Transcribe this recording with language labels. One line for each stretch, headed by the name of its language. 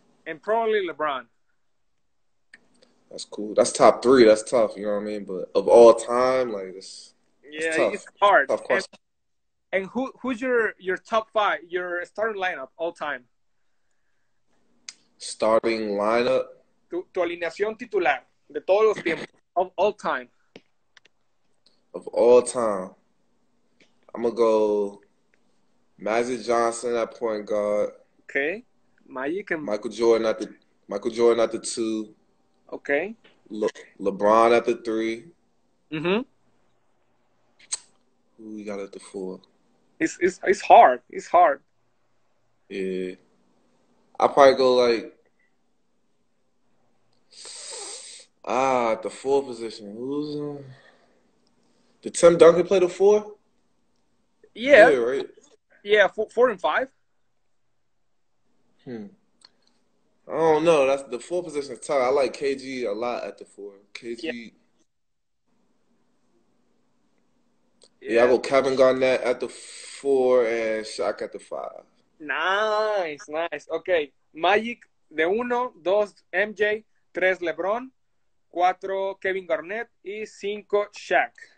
English: And probably LeBron. That's cool. That's top three. That's tough. You know what I mean? But of all time, like, it's yeah, tough. It's hard. Tough question. And who's your top five, your starting lineup all time? Starting lineup?
Spanish: Tu alineación titular de todos los tiempos,
English: of all time. Of all time. I'm going to go Magic Johnson at point guard. Okay. Magic and Michael Jordan at the two. Okay. LeBron at the three. Mm-hmm. Who we got at the four? It's hard. Yeah. I probably go like at the four position. Who's did Tim Duncan play the four? Yeah. Yeah, right. Yeah, four and five. I don't know. That's the four position is tough. I like KG a lot at the four. KG. Yeah, I go Kevin Garnett at the four and Shaq at the five. Nice. Okay.
Spanish: Magic de uno, dos MJ, tres LeBron, cuatro Kevin Garnett, y cinco Shaq.